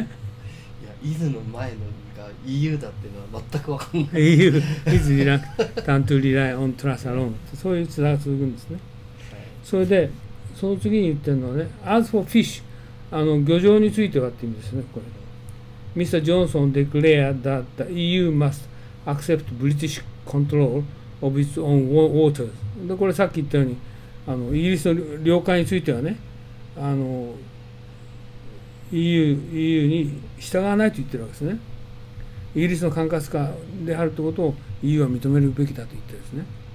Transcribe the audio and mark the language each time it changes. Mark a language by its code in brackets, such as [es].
[ja] いや、イズの前のが EU だっていうのは全く分かんない。 [en] EU is reluctant to rely on trust alone。 [ja] そういうツラが続くんですね、はい、それでその次に言ってるのはね、 [en] As for fish、 [ja] あの漁場についてはって意味ですね、これ。 [en] Mr. Johnson declared that the EU must accept British control of its own waters。 [ja] で、これさっき言ったように、あのイギリスの領海についてはね、あの EU に従わないと言ってるわけですね。イギリスの管轄下であるということを EU は認めるべきだと言ってですね。